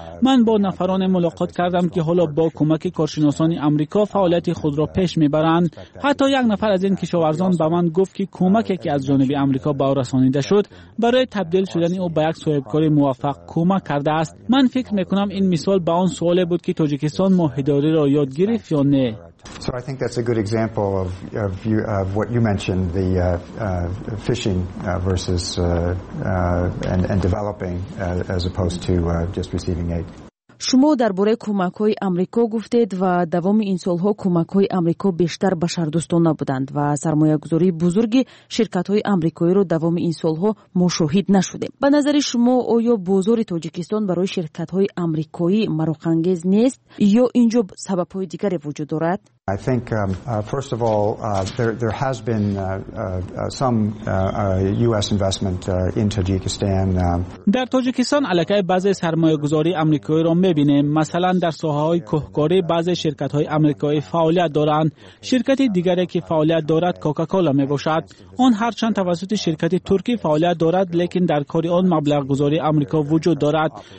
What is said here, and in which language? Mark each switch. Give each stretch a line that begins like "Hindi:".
Persian: من با نفران ملاقات کردم که حالا با کمک کارشناسان آمریکا فعالیت خود را پیش می برند. حتی یک نفر از این کشاورزان به من گفت که کمکی که از جانب آمریکا به او رسانیده شد برای تبدیل شدن او به یک صاحبکار موفق کمک کرده است. من فکر میکنم این مثال به آن سوال بود که تاجیکستان ماهیداری را یاد گرفت یا نه.
English: So I think that's a good example of what you mentioned, the fishing versus and developing as opposed to just receiving aid.
Persian: شما درباره کمک های امریکا گفتید و دوام این سال ها کمک های امریکا بیشتر بشر دوستانه بودند و سرمایه گذاری بزرگی شرکت های امریکایی رو دوام این سال ها مشاهده نشده. به نظر شما آیا بازار تاجیکستان برای شرکت های امریکایی مروغ‌انگیز نیست یا اینجا سبب های دیگری وجود دارد؟
English: I think first of all there has been US investment in Tajikistan.
Persian: در تاجیکستان علاقه بعضی سرمایه‌گذاری آمریکایی را می‌بینیم. مثلا در ساحه‌های کوهکاری بعضی شرکت‌های آمریکایی فعالیت دارند. شرکت دیگری که فعالیت دارد کوکاکولا می‌باشد. آن هرچند توسط شرکت ترکی فعالیت دارد، لیکن در کار آن مبلغ‌گذاری آمریکا وجود دارد.